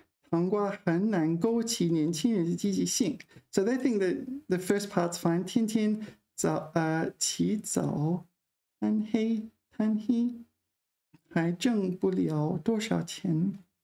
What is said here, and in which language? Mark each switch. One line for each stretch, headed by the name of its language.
Chinese: 糖瓜很难勾起年轻人的积极性.
English: So they think that the first part's fine.
Chinese: 天天 早起早贪黑贪黑还挣不了多少钱.